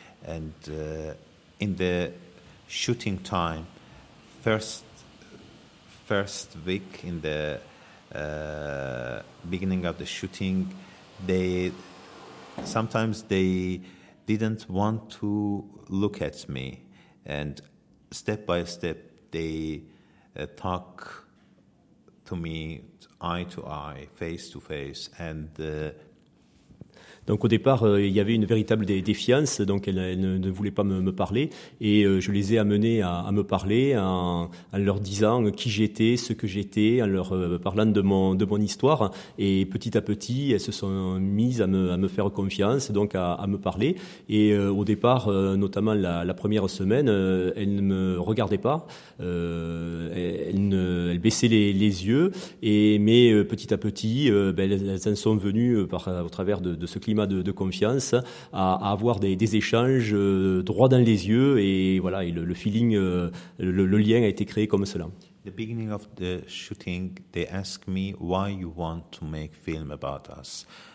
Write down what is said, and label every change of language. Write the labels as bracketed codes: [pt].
[en] And in the shooting time, first week in the beginning of the shooting, they didn't want to look at me, and step by step they talk to me eye to eye, face to face. And [fr] donc au départ il y avait une véritable défiance, donc elle ne voulait pas me parler, et je les ai amenés à me parler en leur disant qui j'étais, ce que j'étais, en leur parlant de mon histoire. Et petit à petit elles se sont mises à me faire confiance, donc à me parler. Et au départ, notamment la première semaine, elles ne me regardaient pas, elles baissaient les yeux. Et mais petit à petit elles en sont venues au travers de ce climat de confiance, à avoir des échanges droit dans les yeux, et voilà, et le feeling, le lien a été créé comme cela. [en] The beginning of the shooting, they asked me why you want to make film about us.